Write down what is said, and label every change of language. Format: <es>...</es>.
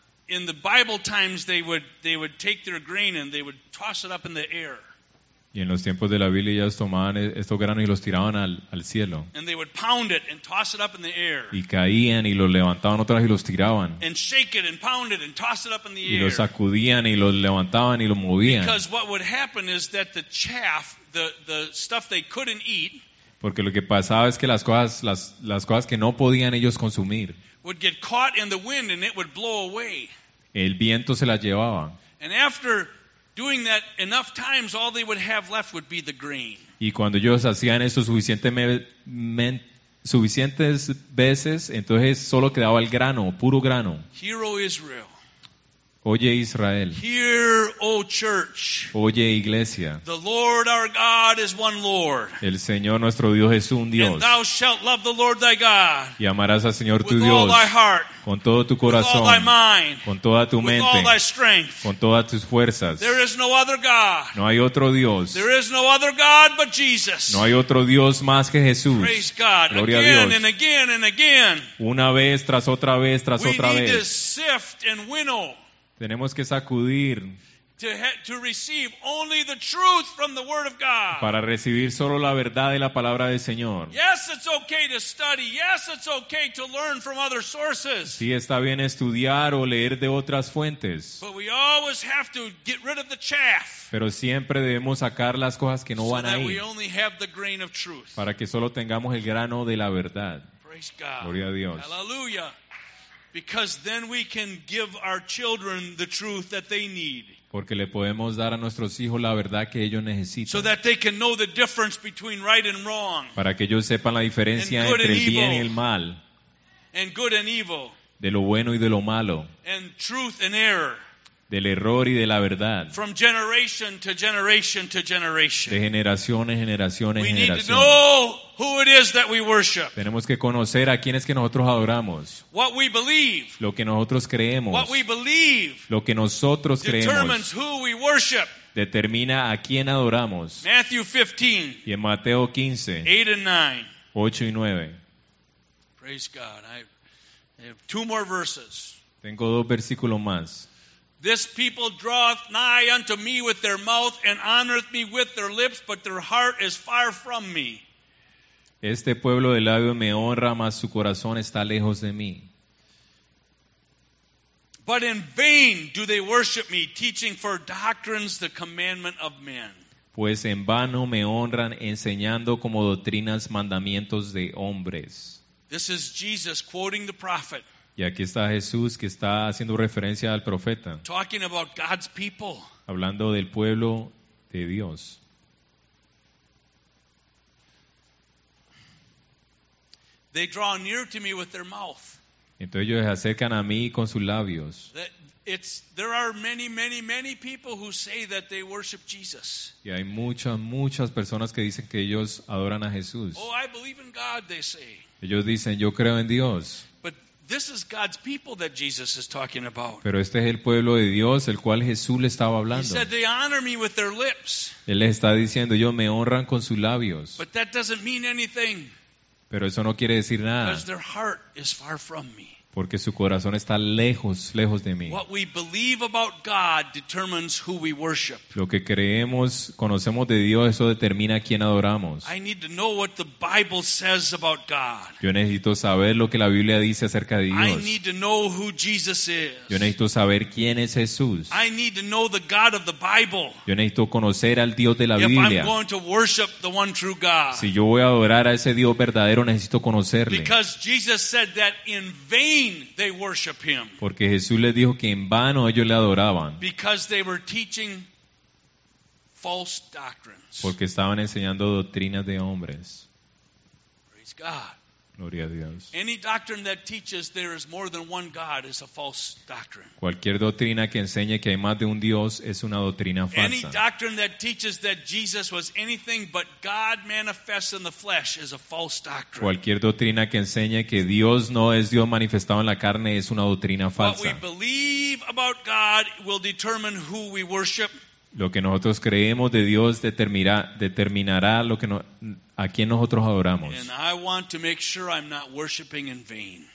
<en>In the Bible times, they would take their grain and they would toss it up in the air.</en> <es>Y en los tiempos de la Biblia ellos tomaban estos granos y los tiraban al cielo.</es> <en>And they would pound it and toss it up in the air.</en> <es>Y caían y los levantaban otra vez y los tiraban.</es> <en>And shake it and pound it and toss it up in the air.</en> <es>Y los sacudían y los levantaban y los movían.</es> <en>Because what would happen is that the chaff, the stuff they couldn't eat.</en> <es>Porque lo que pasaba es que las cosas que no podían ellos consumir.</es> <en>Would get caught in the wind and it would blow away.</en> <es>El viento se las llevaba.</es> <en>And after doing that enough times, all they would have left would be the grain.</en> <es>Y cuando ellos hacían eso suficientes veces, entonces solo quedaba el grano, puro grano.</es> <en>Hear, O Israel.</en> <es>Oye, Israel.</es> <en>Hear, O church.</en> <es>Oye, iglesia.</es> <en>The Lord our God is one Lord.</en> <es>El Señor nuestro Dios es un Dios.</es> <en>And thou shalt love the Lord thy God.</en> <es>Y amarás al Señor</es> <en>with</en> <es>tu Dios.</es> <en>With all thy heart.</en> <es>Con todo tu corazón.</es> <en>With all thy mind.</en> <es>Con toda tu</es> <en>with</en> <es>mente.</es> <en>With all thy strength.</en> <es>Con todas tus fuerzas.</es> <en>There is no other God.</en> <es>No hay otro Dios.</es> <en>There is no other God but Jesus.</en> <es>No hay otro Dios más que Jesús.</es> <en>Praise God.</en> <es>Gloria</es> <en>again</en> <es>a Dios.</es> <en>And again and again.</en> <es>Una vez tras otra vez tras</es> <en>we</en> <es>otra vez.</es> <en>We need to sift and winnow.</en> <es>Tenemos que sacudir</es> <en>to receive only the truth from the word of God.</en> <es>Para recibir solo la verdad de la palabra del Señor.</es> <en>Yes, it's okay to study. Yes, it's okay to learn from other sources.</en> <es>Sí, está bien estudiar o leer de otras fuentes.</es> <en>But we always have to get rid of the chaff.</en> <es>Pero siempre debemos sacar las cosas que no</es> <en>so</en> <es>van ahí.</es> <en>We only have the grain of truth.</en> <es>Para que solo tengamos el grano de la verdad.</es> <en>Praise God.</en> <es>Gloria a Dios. Aleluya.</es> <en>Because then we can give our children the truth that they need.</en> <es>Porque le podemos dar a nuestros hijos la verdad que ellos necesitan.</es> <en>So that they can know the difference between right and wrong.</en> <es>Para que ellos sepan la diferencia entre el bien y el mal.</es> <en>And good and evil.</en> <es>De lo bueno y de lo malo.</es> <en>And truth and error.</en> <es>Del error y de la verdad.</es> <en>From generation to generation to generation.</en> <es>De generación en generación en generación.</es> <en>We need to know who it is that we worship.</en> <es>Tenemos que conocer a quién es que nosotros adoramos.</es> <en>What we believe.</en> <es>Lo que nosotros creemos.</es> <en>What we believe.</en> <es>Lo que nosotros creemos.</es> <en>Determines who we worship.</en> <es>Determina a quién adoramos.</es> <en>Matthew 15.</en> <es>Y en Mateo 15.</es> <en>8 and 9.</en> <es>8 y 9.</es> <en>Praise God. I have two more verses.</en> <es>Tengo dos versículos más.</es> <en>This people draweth nigh unto me with their mouth and honoreth me with their lips, but their heart is far from me.</en> <es>Este pueblo de labios me honra, mas su corazón está lejos de mí.</es> <en>But in vain do they worship me, teaching for doctrines the commandment of men.</en> <es>Pues en vano me honran, enseñando como doctrinas mandamientos de hombres.</es> <en>This is Jesus quoting the prophet.</en> <es>Y aquí está Jesús que está haciendo referencia al profeta.</es> <en>Talking about God's people.</en> <es>Hablando del pueblo de Dios.</es> <en>They draw near to me with their mouth.</en> <es>Entonces ellos se acercan a mí con sus labios.</es> <en>There are many, many, many people who say that they worship Jesus.</en> <es>Y hay muchas, muchas personas que dicen que ellos adoran a Jesús.</es> <en>Oh, I believe in God, they say.</en> <es>Ellos dicen, yo creo en Dios.</es> <en>But this is God's people that Jesus is talking about.</en> <es>Pero este es el pueblo de Dios el cual Jesús le estaba hablando.</es> <en>He said they honor me with their lips.</en> <es>Él les está diciendo, yo me honran con sus labios.</es> <en>But that doesn't mean anything.</en> <es>Pero eso no quiere decir nada.</es> <en>Because their heart is far from me.</en> <es>Porque su corazón está lejos, lejos de mí.</es> <en>What we believe about God determines who we worship.</en> <es>Lo que creemos, conocemos de Dios, eso determina a quién adoramos.</es> <en>I need to know what the Bible says about God.</en> <es>Yo necesito saber lo que la Biblia dice acerca de Dios.</es> <en>I need to know who Jesus is.</en> <es>Yo necesito saber quién es Jesús.</es> <en>I need to know the God of the Bible.</en> <es>Yo necesito conocer al Dios de la Biblia.</es> <en>If I'm going to worship the one true God.</en> <es>Si yo voy a adorar a ese Dios verdadero, necesito conocerle.</es> <en>Because Jesus said that in vain. They worship him.</en> <es>Porque Jesús les dijo que en vano ellos le adoraban.</es> <en>Because they were teaching false doctrines.</en> <es>Porque estaban enseñando doctrinas de hombres.</es> <en>Praise God.</en> <es>Gloria a Dios.</es> <en>Any doctrine that teaches there is more than one God is a false doctrine.</en> <es>Cualquier doctrina que enseñe que hay más de un Dios es una doctrina falsa.</es> <en>Any doctrine that teaches that Jesus was anything but God manifest in the flesh is a false doctrine.</en> <es>Cualquier doctrina que enseñe que Dios no es Dios manifestado en la carne es una doctrina falsa.</es> <en>What we believe about God will determine who we worship.</en> <es>Lo que nosotros creemos de Dios determinará lo que a quién nosotros adoramos.</es> <en>And I want to make sure I'm not worshiping in vain.</en>